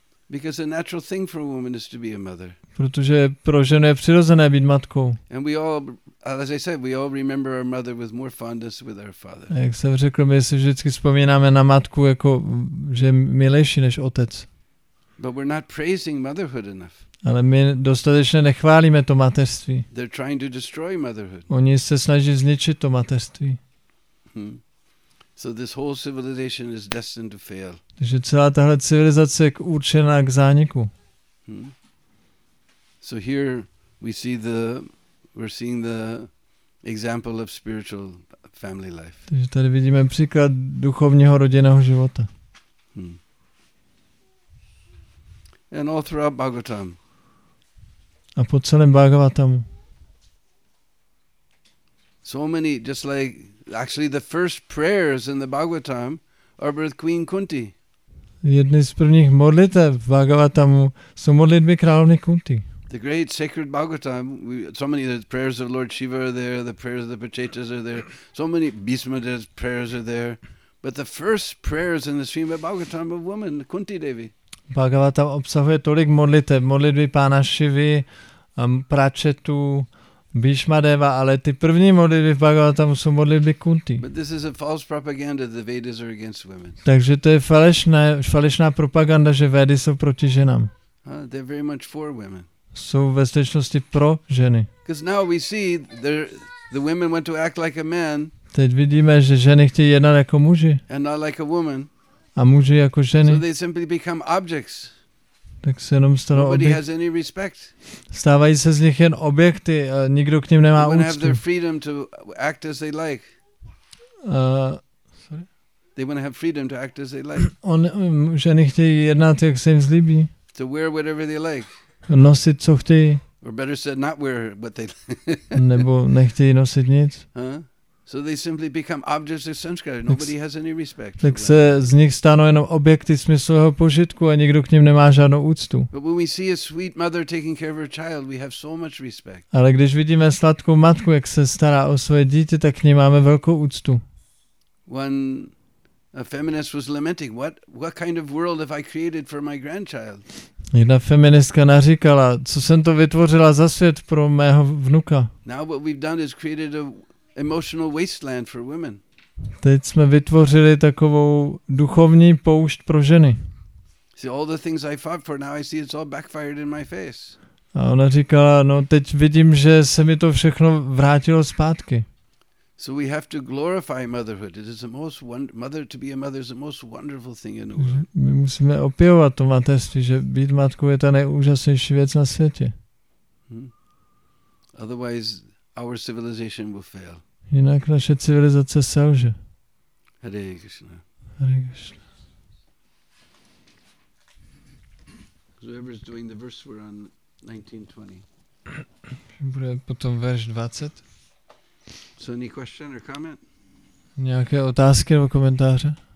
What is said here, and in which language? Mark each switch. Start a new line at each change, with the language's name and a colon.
English: Because a natural thing for a woman is to be a mother.
Czech: Protože pro ženu je přirozené být matkou.
English: And we all, as I said, we all remember our mother with more fondness with our father.
Czech: Jak jsem řekl, my si vždycky vzpomínáme na matku jako že milejší než otec.
English: But we're not praising motherhood enough.
Czech: Ale my dostatečně nechválíme to mateřství.
English: They're trying to destroy motherhood.
Czech: Oni se snaží zničit to mateřství.
English: So this whole civilization is destined to fail.
Czech: Takže celá tahle civilizace je určená k zániku.
English: So here we're seeing the example of spiritual family life.
Czech: Takže tady vidíme příklad duchovního rodinného života.
English: And all throughout Bhagavatam.
Czech: A po celém Bhagavatamu.
English: So many, just like actually the first prayers in the Bhagavatam are with Queen Kunti.
Czech: Jedny z prvních modlitev v Bhagavatamu jsou modlitby královny Kunti.
English: The great sacred Bhagavatam, so many of the prayers of Lord Shiva are there, the prayers of the Pachetas are there, so many Bhishma's prayers are there, but the first prayers in the Srimad Bhagavatam of women, Kunti Devi.
Czech: Bhagavatam obsahuje tolik modlitev, modlitby pána Šivy, Pračetu, Bhishma Deva, ale ty první modlitby v Bhagavatamu jsou modlitby Kunti.
English: But this is a false propaganda that the Vedas are against women.
Czech: Takže to je falešná propaganda, že Vedy jsou proti ženám.
English: They're very much for women.
Czech: Jsou ve skutečnosti pro ženy.
English: Because now we see the women want to act like a man.
Czech: Teď vidíme, že ženy chtějí jednat jako muži.
English: And not like a woman.
Czech: A muži jako ženy.
English: So they simply become objects.
Czech: Tak se jenom stanou objekty. Stávají se z nich jen objekty a nikdo k ním nemá úctu.
English: They want to have their freedom to act as they like. They want to have freedom to act as they like.
Czech: Ženy chtějí jednat, jak se jim zlíbí.
English: To wear whatever they like.
Czech: Nosit, co chtějí.
English: Or better said, not wear what they like.
Czech: Nebo nechtějí nosit nic.
English: So they simply become objects of sanskara. Nobody has any respect.
Czech: Tak se z nich stanou jenom objekty smyslového požitku a nikdo k ním nemá žádnou úctu.
English: But when we see a sweet mother taking care of her child, we have so much respect.
Czech: Ale když vidíme sladkou matku, jak se stará o své dítě, tak k ní máme velkou úctu.
English: A feminist was lamenting, what kind of world have I created for my grandchild?
Czech: Jedna feministka naříkala, co jsem to vytvořila za svět pro mého vnuka.
English: Now what we've done is created a emotional wasteland for women.
Czech: Teď jsme vytvořili takovou duchovní poušť pro ženy.
English: See all the things I fought for, now I see it's all backfired in my face.
Czech: A ona říkala, no teď vidím, že se mi to všechno vrátilo zpátky.
English: So we have to glorify motherhood. It is the most mother to be a mother is the most wonderful thing in the world.
Czech: My musíme opěvovat to mateřství, že být matkou je ta nejúžasnější věc na světě.
English: Otherwise, our civilization will fail.
Czech: Jinak naše civilizace selže.
Sanskrit: Hare Krishna. Hare Krishna.
English: Whoever is doing the verse, we're on 19:20.
Czech: Bude potom verš 20.
English: So any question or comment?
Czech: Nějaké otázky nebo komentáře?